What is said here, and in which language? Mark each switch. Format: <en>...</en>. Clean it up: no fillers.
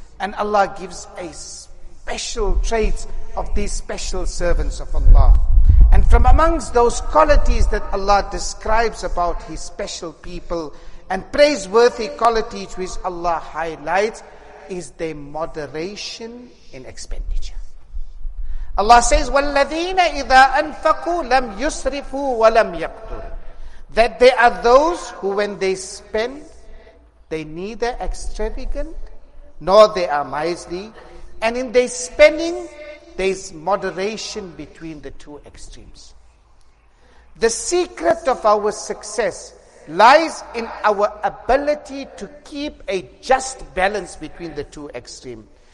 <en>And Allah gives a special traits of these special servants of Allah. And from amongst those qualities that Allah describes about His special people and praiseworthy qualities which Allah highlights is their moderation in expenditure. Allah says,</en> <ar>وَالَّذِينَ إِذَا أَنْفَقُوا لَمْ يُسْرِفُوا وَلَمْ يَقْتُرُوا.</ar> <en>That they are those who when they spend, they neither extravagant nor they are miserly. And in their spending, there is moderation between the two extremes. The secret of our success lies in our ability to keep a just balance between the two extremes.</en>